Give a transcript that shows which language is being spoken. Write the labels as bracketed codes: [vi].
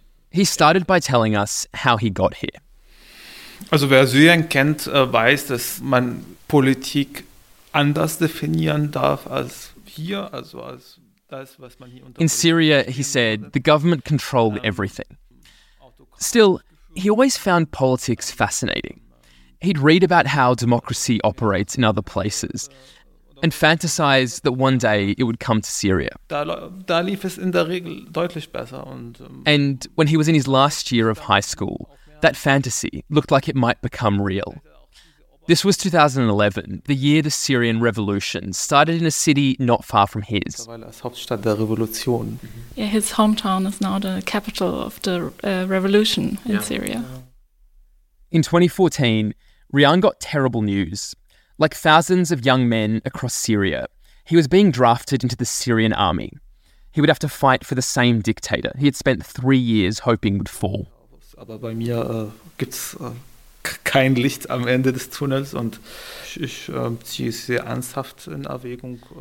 [en] He started by telling us how he got here. [de] Also, wer Syrien kennt, weiß, dass man Politik anders definieren darf als hier, also als das, was man hier unter. [en] In Syria, he said, the government controlled everything. Still, he always found politics fascinating. He'd read about how democracy operates in other places and fantasize that one day it would come to Syria. [de] Da lief es in der Regel deutlich besser. [en] And when he was in his last year of high school, that fantasy looked like it might become real. This was 2011, the year the Syrian revolution started in a city not far from his. Yeah, his hometown is now the capital of the revolution in Syria. In 2014, Rian got terrible news. Like thousands of young men across Syria, he was being drafted into the Syrian army. He would have to fight for the same dictator he had spent 3 years hoping would fall. [de] Aber bei mir gibt's kein Licht am Ende des Tunnels und ich ziehe sehr ernsthaft in Erwägung.